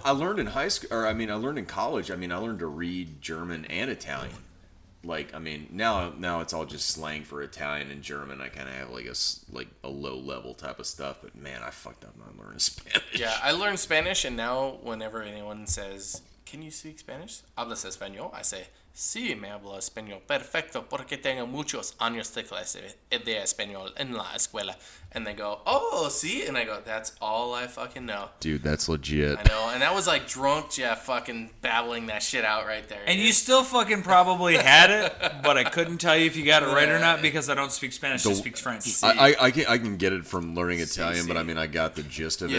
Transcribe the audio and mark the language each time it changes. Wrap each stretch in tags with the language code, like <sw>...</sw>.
<en>I learned in high school, or I mean, I learned in college. I mean, I learned to read German and Italian. Like, I mean, now it's all just slang for Italian and German. I kind of have like a low level type of stuff. But man, I fucked up not learning Spanish. Yeah, I learned Spanish, and now whenever anyone says, can you speak Spanish?</en> <es>Hablas español? I say, sí, me hablo español. Perfecto, porque tengo muchos años de clase de español en la escuela.</es> <en>And they go, oh, sí. And I go, that's all I fucking know. Dude, that's legit. I know. And that was like drunk Jeff fucking babbling that shit out right there. And you still fucking probably had it, but I couldn't tell you if you got it right or not because I don't speak Spanish. I speak French. I can get it from learning Italian, but I mean, I got the gist of it.</en>